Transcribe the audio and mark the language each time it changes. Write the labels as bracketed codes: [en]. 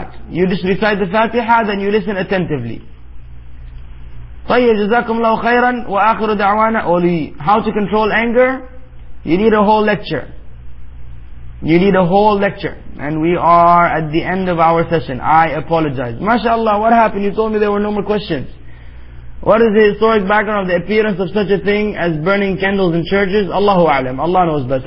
[en] You just recite the Fatiha, then you listen attentively. [ar] طيب جزاكم الله خيرا وآخر دعوانا أولي. [en] How to control anger? You need a whole lecture. You need a whole lecture. And we are at the end of our session. I apologize. MashaAllah, what happened? You told me there were no more questions. What is the historic background of the appearance of such a thing as burning candles in churches? Allahu A'lam. Allah knows best.